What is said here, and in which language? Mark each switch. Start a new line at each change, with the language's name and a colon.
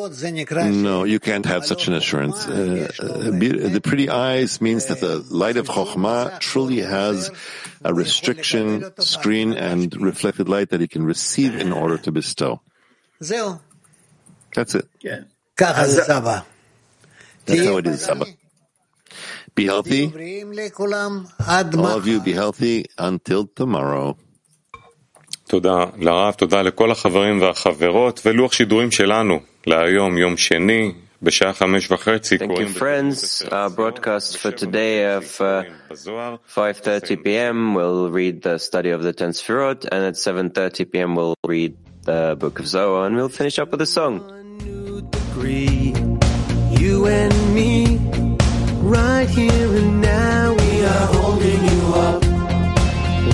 English: No, you can't have such an assurance. The pretty eyes means that the light of Chochmah truly has a restriction, screen, and reflected light that he can receive in order to bestow. That's it. That's how it is, Saba. Be healthy. All of you be healthy until tomorrow.
Hebrew: תודה לרב, תודה לכל החברים והחברות, ולוח שידורים שלנו, להיום, יום שני, בשעה 5:30.
English: Thank you, friends. Our broadcast for today of 5:30 p.m. we'll read the study of the Ten Sefirot, and at 7:30 p.m. we'll read the Book of Zohar, and we'll finish up with a song. You and me, right here and now, we are holding you up.